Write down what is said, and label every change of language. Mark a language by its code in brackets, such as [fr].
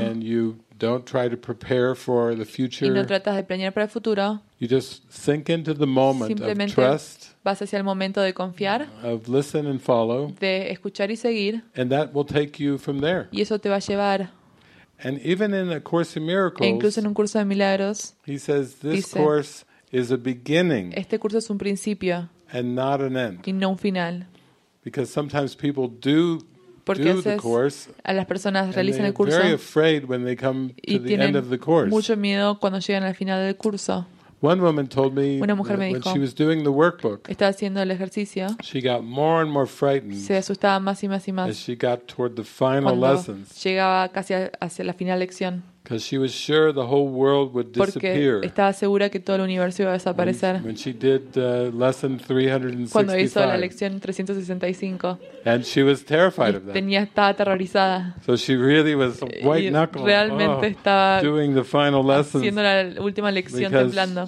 [en] And you don't try to prepare for the future. [es] Y no tratas de planear para el futuro. [en] You just sink into the moment [es] simplemente [en] of trust, [es] vas hacia el momento de confiar, [en] of listen and follow, [es] de escuchar y seguir, [en] and that will take you from there. [es] Y eso te va a llevar. [en] And even in A Course in Miracles, [es] e incluso en un curso de milagros, [en] he says, this [es] dice, [en] course is a beginning, [es] este curso es un principio, [en] and not an end. [es] Y no un final. [en] Because sometimes people [es] porque [en] do the course, [es] a las personas realizan el curso, [en] very afraid when they come [es] y [en] to the end of the course. [es] Mucho miedo cuando llegan al final del curso. [en] One woman told me, [es] una mujer me dijo, [en] when she was doing the workbook, [es] estaba haciendo el ejercicio, [en] she got more and more frightened, [es] se asustaba más y más y más, [en] as she got toward the final lessons, [es] llegaba casi hacia la final lección, [en] because she was sure the whole world would disappear, [es] porque estaba segura que todo el universo iba a desaparecer, [en] when she did lesson 365, [es] cuando hizo la lección 365, [en] and she was terrified of that, [es] tenía estaba aterrorizada, [en] so she really was white knuckled, [es] realmente estaba [en] doing the final lessons, [es] haciendo la última lección temblando,